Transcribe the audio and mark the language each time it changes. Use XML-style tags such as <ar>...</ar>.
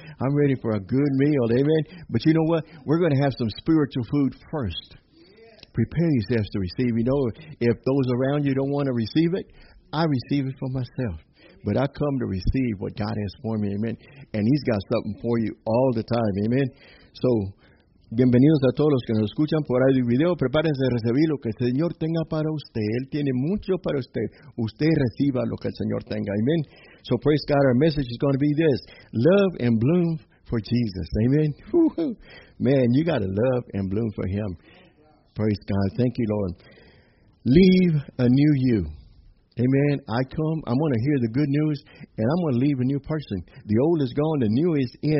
<en>I'm ready for a good meal, amen? But you know what? We're going to have some spiritual food first. Prepare yourselves to receive. You know, if those around you don't want to receive it, I receive it for myself. But I come to receive what God has for me, amen? And He's got something for you all the time, amen?</en> <es>So, bienvenidos a todos los que nos escuchan por audio y video. Prepárense a recibir lo que el Señor tenga para usted. Él tiene mucho para usted. Usted reciba lo que el Señor tenga.</es> <en>Amen. So praise God. Our message is going to be this. Love and bloom for Jesus. Amen. Woo-hoo. Man, you got to love and bloom for Him. Praise God. Thank you, Lord. Leave a new you. Amen. I come. I'm going to hear the good news, and I'm going to leave a new person. The old is gone. The new is in.</en>